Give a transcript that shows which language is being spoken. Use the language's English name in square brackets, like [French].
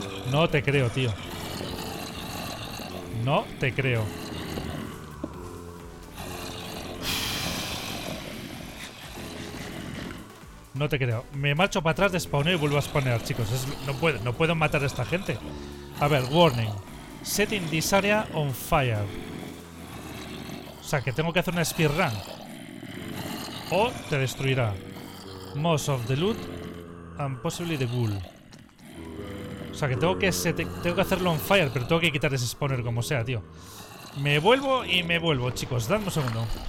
[Spanish] No te creo, tío. No te creo. Me marcho para atrás de spawner y vuelvo a spawnear, chicos. No puedo matar a esta gente. A ver, [English] warning. Setting this area on fire. [Spanish] O sea, que tengo que hacer una speedrun. O te destruirá. [English] Most of the loot and possibly the ghoul. [Spanish] O sea, que tengo que hacerlo [English] on fire, [Spanish] pero tengo que quitar ese spawner como sea, tío. Me vuelvo y me vuelvo, chicos. Dadme un segundo.